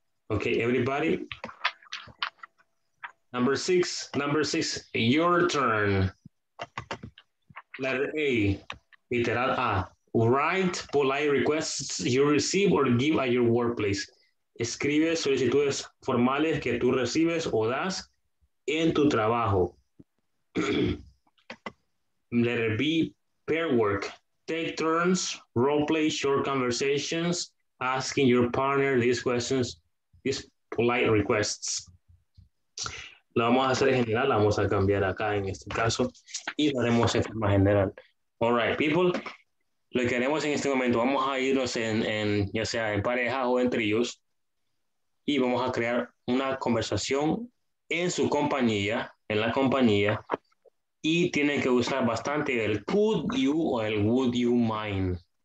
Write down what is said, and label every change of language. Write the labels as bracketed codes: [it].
[en] Okay, everybody. Number six, your turn. Letter A, literal A. Write polite requests you receive or give at your workplace. [es] Escribe solicitudes formales que tú recibes o das en tu trabajo. [en] Letter B, pair work. Take turns, role play short conversations, asking your partner these questions, these polite requests. [es] lo vamos a hacer en general, la vamos a cambiar acá en este caso y lo haremos en forma general. [en] All right, people, [es] lo que haremos en este momento, vamos a irnos en ya sea en pareja o entre ellos y vamos a crear una conversación en su compañía, en la compañía, y tienen que usar bastante el could you o el would you mind.